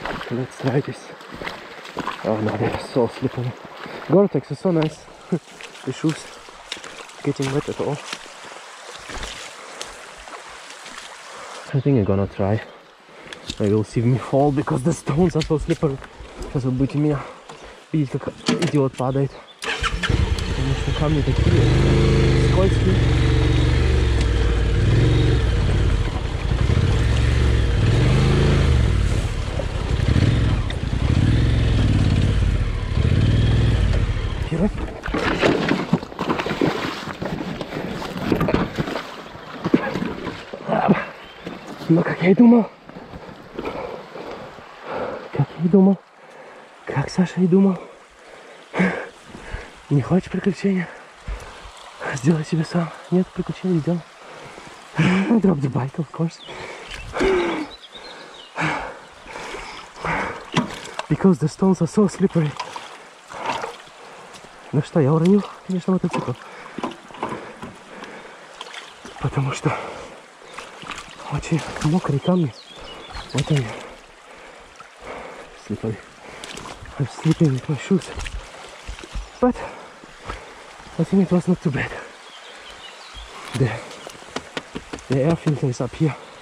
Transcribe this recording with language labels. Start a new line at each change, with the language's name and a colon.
English: Let's try this. Oh no, they're so slippery. Gore-Tex is so nice. The shoes getting wet at all. I think I'm gonna try. Maybe we'll see me fall because the stones are so slippery.
Russian: Сейчас вот будете меня видеть, как идиот падает. Потому что камни такие скользкие. Na, kakej duma. Kakej duma. Как Саша и думал, не хочешь приключения, сделай себе сам. Нет приключений, идем.
English: Drop the bike, of course. Because the stones are so slippery.
Russian: Ну что, я уронил, конечно, мотоцикл. Потому что очень мокрые камни. Вот они.
English: Slippery. I'm sleeping with my shoes, but I think it was not too bad. The air filter is up here.